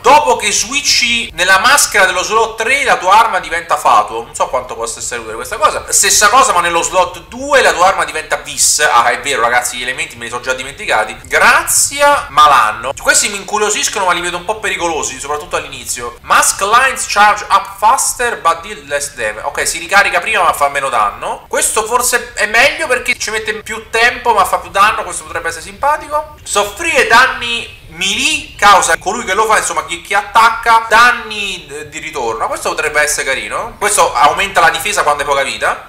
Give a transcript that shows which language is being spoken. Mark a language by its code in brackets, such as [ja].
[it] Dopo che switchi nella maschera dello slot 3, la tua arma diventa fatuo. Non so quanto possa essere utile questa cosa. Stessa cosa, ma nello slot 2 la tua arma diventa vis. Ah, è vero, ragazzi, gli elementi me li sono già dimenticati. Grazia, malanno. Questi mi incuriosiscono, ma li vedo un po' pericolosi, soprattutto all'inizio. [en] Mask lines charge up faster, but deal less damage. [it] Ok, si ricarica prima, ma fa meno danno. Questo forse è meglio perché ci mette più tempo, ma fa più danno. Questo potrebbe essere simpatico. Soffrire danni melee causa colui che lo fa, insomma chi attacca, danni di ritorno. Questo potrebbe essere carino. Questo aumenta la difesa quando hai poca vita.